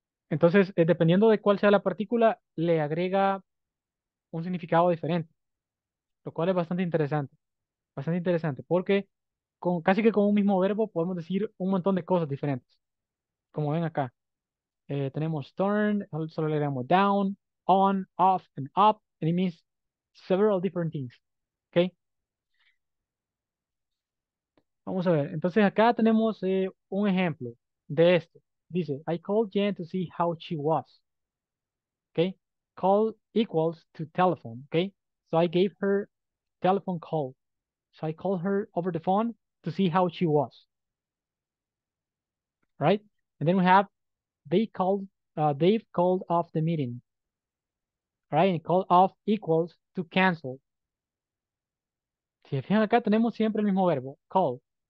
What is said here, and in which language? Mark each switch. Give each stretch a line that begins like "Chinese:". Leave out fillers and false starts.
Spanish: Entonces, dependiendo de cuál sea la partícula, le agrega un significado diferente. Lo cual es bastante interesante. Bastante interesante porque casi que con un mismo verbo podemos decir un montón de cosas diferentes. Como ven acá. Tenemos turn, solo le damos
English: down, on, off, and up. And it means several different things. ¿Ok?
Spanish: Vamos a ver. Entonces acá tenemos un ejemplo de esto.
English: Dice, I called Jen to see how she was. ¿Ok? Call equals to telephone. ¿Ok? So I gave her telephone call. So I called her over the phone to see how she was. Right? And then we have, they've called off the meeting. Right? And called off equals to cancel.
Spanish: Si fijan acá, tenemos siempre el mismo verbo, call.